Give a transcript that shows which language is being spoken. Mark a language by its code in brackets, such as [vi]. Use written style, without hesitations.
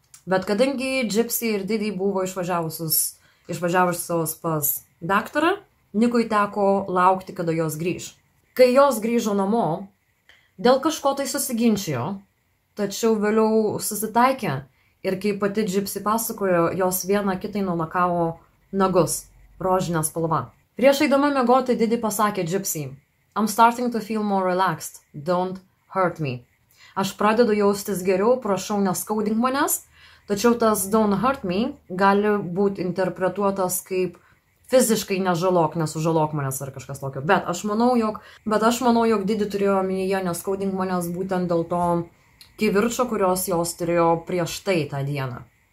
[lt] Bet kadangi Gypsy ir Didi buvo išvažiavusios pas daktarą, Nikui teko laukti, kada jos grįž. Kai jos grįžo namo, dėl kažko tai susiginčijo, tačiau vėliau susitaikė, ir kaip pati Gypsy pasakojo, jos vieną kitai nulakavo nagus, rožinę spalvą. Prieš eidama miegoti, Didi pasakė Gypsy, [en] I'm starting to feel more relaxed, don't hurt me. [lt] Aš pradedu jaustis geriau, prašau neskaudink manęs, tačiau tas [en] don't hurt me [lt] gali būti interpretuotas kaip fiziškai nežalok, nesužalok manęs ar kažkas tokio. Bet aš manau, jog Didi turėjo omenyje neskaudink manęs būtent dėl to, kivirčio, kurios jos turėjo prieš tai tą dieną.